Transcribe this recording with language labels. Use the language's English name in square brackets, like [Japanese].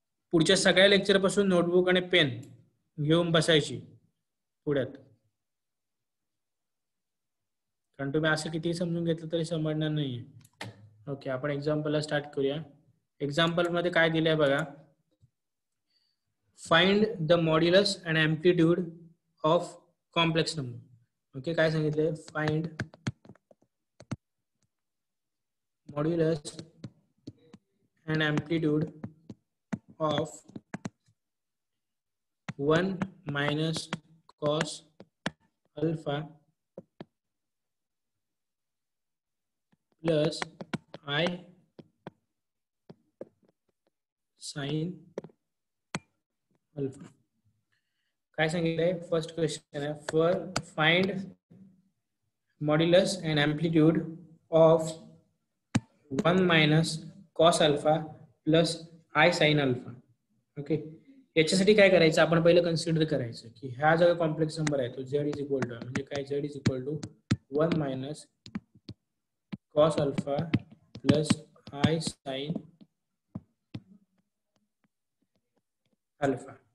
[Marathi] पुढच्या सगळ्या लेक्चर पासून नोटबुक आणि पेन घेऊन बसायची पुढ्यात, कारण तुम्ही असं किती समजून घेतलं तरी समजणार नाहीये. ओके आपण एक्झाम्पलला स्टार्ट करूया. एक्झाम्पल मध्ये काय दिलंय बघा, [English] Find the modulus and amplitude of complex number. [Marathi] Okay काय सांगितलंय, find [English] Modulus and amplitude of 1 minus cos alpha plus i sine alpha. [Marathi] काय सांगितलं आहे, फर्स्ट क्वेश्चन आहे [English] For find modulus and amplitude of 1 minus cos alpha plus i sine alpha. [Marathi] Okay, याच्यासाठी काय करायचं, आपण पहिलं कन्सिडर करायचं की हा जो कॉम्प्लेक्स नंबर आहे तो [English] Z is equal to, म्हणजे काय, z is equal to 1 minus cos alpha plus i sine alpha.